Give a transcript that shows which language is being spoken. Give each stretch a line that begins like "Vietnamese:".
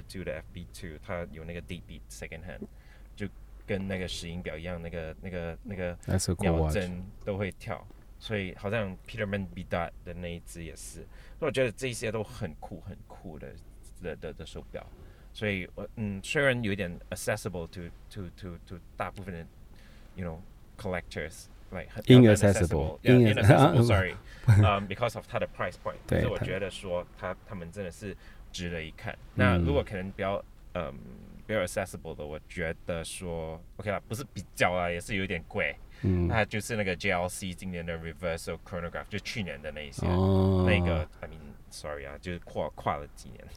Chinese: 2的 FB2， 它有那个
English: deep beat second hand，
Chinese: 就跟那个石英表一样，那个秒针都会跳。所以好像 Peterman Bidot 的那一只也是，所以我觉得这些都很酷很酷的手表。所以虽然有点
English: accessible to
Chinese: 大部分的
English: you know collectors like inaccessible because of
Chinese: 它的
English: price point，
Chinese: 但是我觉得说他们真的是值得一看。那如果可能比较 accessible 的，我觉得说 OK 啦，不是比较啦，也是有点贵。它就是那个 JLC 今年的
English: Reversal Chronograph，
Chinese: 就去年的那一些，那个
English: I mean sorry
Chinese: 啊，就是跨了几年，